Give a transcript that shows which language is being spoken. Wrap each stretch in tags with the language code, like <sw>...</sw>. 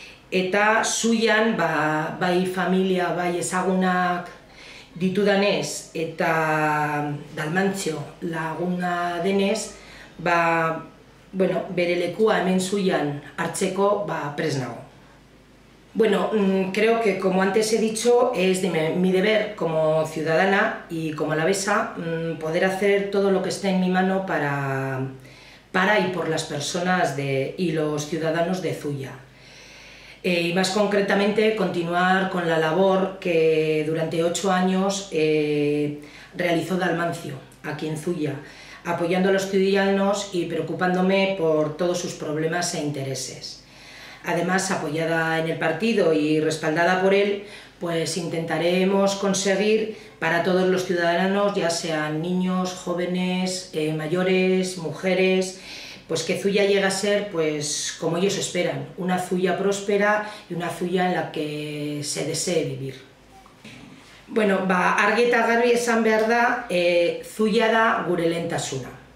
<eu>Eta zuian, bai familia, bai ezagunak ditu danez, eta Dalmantxo laguna denez, bueno, bere lekua hemen zuian hartzeko prest nago.</eu> <es>Bueno, creo que como antes he dicho, es de mi deber como ciudadana y como alavesa poder hacer todo lo que esté en mi mano para y por las personas y los ciudadanos de Zuia. Y más concretamente, continuar con la labor que durante 8 años realizó Dalmantxo aquí en Zuia, apoyando a los ciudadanos y preocupándome por todos sus problemas e intereses. Además, apoyada en el partido y respaldada por él, pues intentaremos conseguir para todos los ciudadanos, ya sean niños, jóvenes, mayores, mujeres, pues que Zuia llegue a ser pues como ellos esperan, una Zuia próspera y una Zuia en la que se desee vivir.</es> <eu>Bueno, argi eta garbi esan behar da, Zuia da gure lehentasuna.</eu>